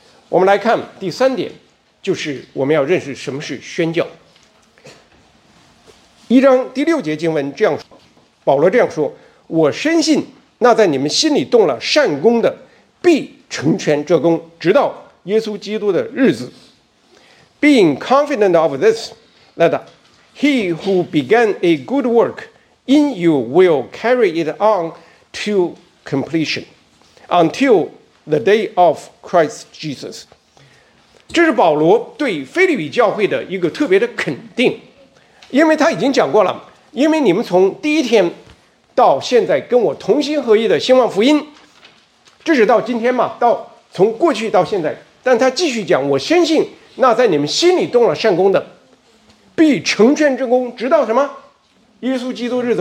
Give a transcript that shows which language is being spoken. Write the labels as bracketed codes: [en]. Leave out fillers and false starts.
[zh] 我们来看第三点，就是我们要认识什么是宣教。一章第六节经文这样说，保罗这样说，我深信那在你们心里动了善功的必成全这功，直到耶稣基督的日子。 [en] Being confident of this, that he who began a good work in you will carry it on to completion until the day of Christ Jesus。 [zh] 这是保罗对腓立比教会的一个特别的肯定，因为他已经讲过了，因为你们从第一天到现在跟我同心合意的兴旺福音，这是到今天嘛，到从过去到现在。但他继续讲，我深信那在你们心里动了善功的必成全这功，直到什么？耶稣基督日子。